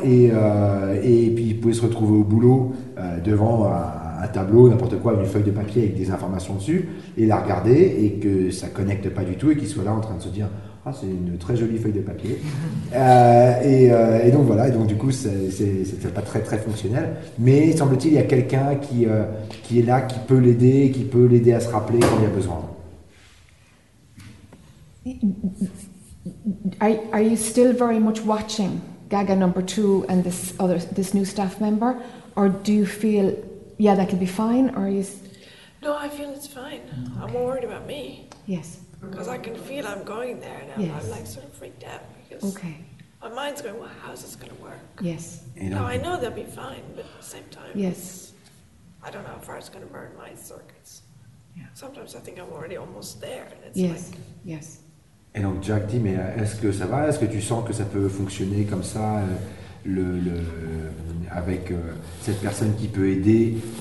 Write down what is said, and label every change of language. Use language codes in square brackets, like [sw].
[fr] Et puis il pouvait se retrouver au boulot devant un tableau, n'importe quoi, une feuille de papier avec des informations dessus, et la regarder, et que ça ne connecte pas du tout, et qu'il soit là en train de se dire... Ah, c'est une très jolie feuille de papier. Et donc voilà, et donc du coup, c'est pas très très fonctionnel. Mais semble-t-il, il y a quelqu'un qui est là, qui peut l'aider à se rappeler quand il y a besoin. [en] Are you still very much watching Gaga number two and this new staff member, or do you feel yeah that could be fine, or are you? No, I feel it's fine. Okay. I'm more worried about me. Yes. Because I can feel I'm going there now. Yes. I'm like sort of freaked out. Because okay. My mind's going, well, how's this going to work? Yes. Now I know they'll be fine, but at the same time, yes. I don't know how far it's going to burn my circuits. Yeah. Sometimes I think I'm already almost there. And it's yes. Like, yes. [fr] Et donc Jack dit, mais est-ce que ça va? Est-ce que tu sens que ça peut fonctionner comme ça? Le avec cette personne qui peut aider.